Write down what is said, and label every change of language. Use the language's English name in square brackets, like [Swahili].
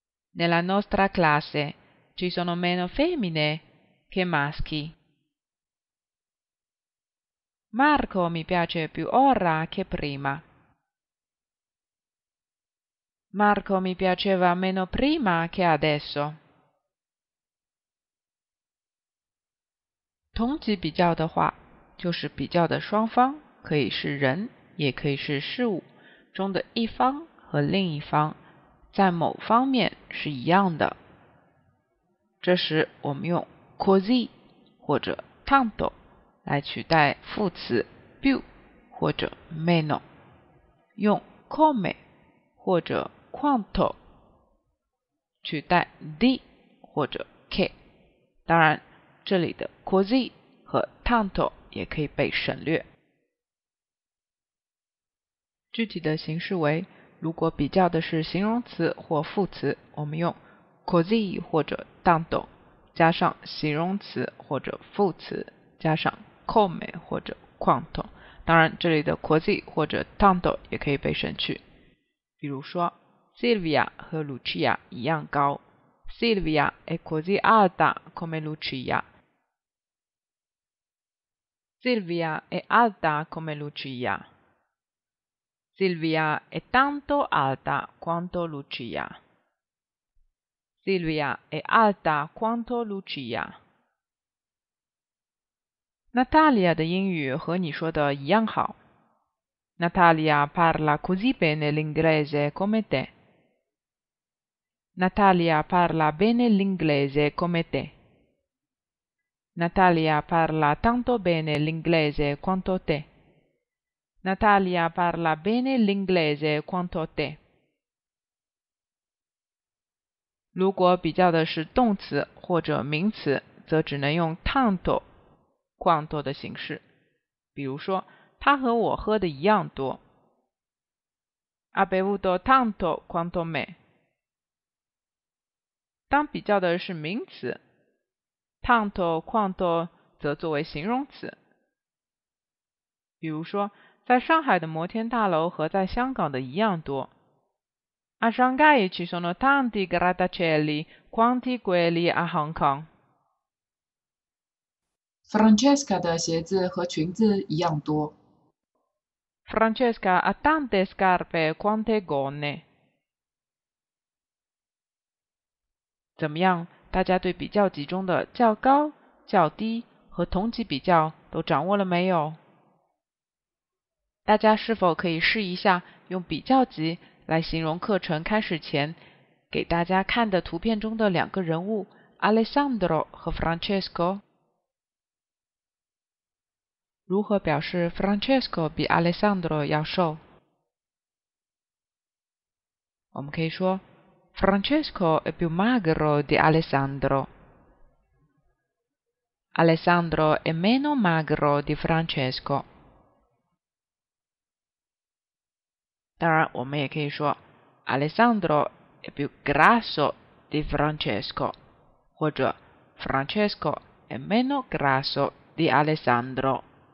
[Italian] Nella nostra classe ci sono meno femmine che maschi. Marco mi piace più ora che prima. Marco mi piaceva meno prima che adesso. [Chinese] 同级比较的话，就是比较的双方，可以是人，也可以是事物，中的一方和另一方，在某方面是一样的。这时我们用 così 或者 tanto。来取代副词 più 或者 meno， 用 come 或者 quanto 取代 di 或者 che。当然这里的 così 和 tanto 也可以被省略。具体的形式为，如果比较的是形容词或副词，我们用 così 或者 tanto 加上形容词或者副词加上 come 或者 quanto 当然这里的 così 或者 tanto 也可以被省去比如说 Silvia 和 Lucia 一样高 Silvia è così alta come LuciaSilvia è alta come Lucia. [Italian] Silvia è tanto alta quanto Lucia. Silvia è alta quanto Lucia. [Chinese] Natalia 的英语和你说的一样好。 [Italian] Natalia parla così bene l'inglese come te. Natalia parla bene l'inglese come te. Natalia parla tanto bene l'inglese quanto te. Natalia parla bene l'inglese quanto te. [Chinese] 如果比较的是动词或者名词，则只能用 tanto、quanto 的形式。比如说，他和我喝的一样多。 [Italian] Ha bevuto tanto quanto me. [Chinese] 当比较的是名词。 Tanto quanto 则作为形容词。比如说，在上海的摩天大楼和在香港的一样多。 [Italian] A Shanghai ci sono tanti grattacieli quanti quelli a Hong Kong. [Chinese] Francesca 的鞋子和裙子一样多。 [Italian] Francesca ha tante scarpe quante gonne. [Chinese] 怎么样？大家对比较级中的较高、较低和同级比较都掌握了没有？大家是否可以试一下用比较级来形容课程开始前给大家看的图片中的两个人物 Alessandro 和 Francesco？如何表示 Francesco 比 Alessandro 要瘦？我们可以说 [Italian] Francesco è più magro di Alessandro. Alessandro è meno magro di Francesco. [Chinese] 当然我们也可以说 [Italian] Alessandro è più grasso di Francesco [Chinese] 或者 [Italian] Francesco è meno grasso di Alessandro.